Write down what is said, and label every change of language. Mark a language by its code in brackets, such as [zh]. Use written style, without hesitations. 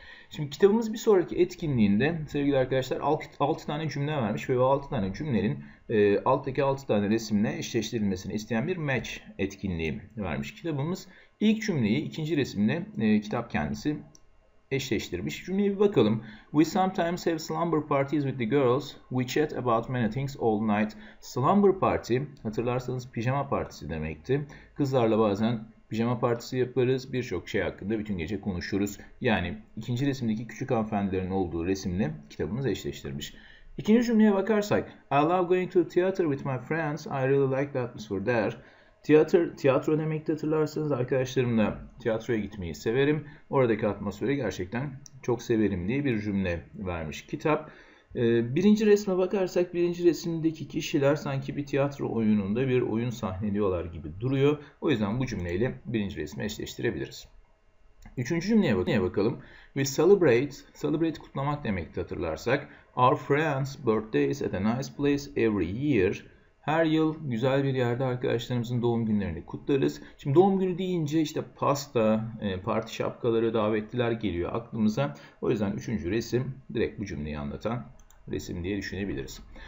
[tr] Şimdi kitabımız bir sonraki etkinliğinde sevgili arkadaşlar 6 tane cümle vermiş ve bu 6 tane cümlenin alttaki 6 tane resimle eşleştirilmesini isteyen bir match etkinliği vermiş kitabımız. İlk cümleyi ikinci resimle kitap kendisi eşleştirmiş. Cümleye bir bakalım. [en] We sometimes have slumber parties with the girls. We chat about many things all night. Slumber party, [tr] hatırlarsanız pijama partisi demekti. Kızlarla bazen pijama partisi yaparız. Birçok şey hakkında bütün gece konuşuruz. Yani ikinci resimdeki küçük hanımefendilerin olduğu resimle kitabımız eşleştirmiş. İkinci cümleye bakarsak. [en] I love going to the theater with my friends. I really like the atmosphere there. [tr] Tiyatro demekti hatırlarsanız arkadaşlarımla tiyatroya gitmeyi severim. Oradaki atmosferi gerçekten çok severim diye bir cümle vermiş kitap. Birinci resme bakarsak birinci resimdeki kişiler sanki bir tiyatro oyununda bir oyun sahneliyorlar gibi duruyor. O yüzden bu cümleyle birinci resmi eşleştirebiliriz. Üçüncü cümleye bakalım. [en] We celebrate [tr] kutlamak demekti hatırlarsak. [en] Our friends' birthdays at a nice place every year. [tr] Her yıl güzel bir yerde arkadaşlarımızın doğum günlerini kutlarız. Şimdi doğum günü deyince işte pasta, parti şapkaları, davetliler geliyor aklımıza. O yüzden üçüncü resim direkt bu cümleyi anlatan resim diye düşünebiliriz.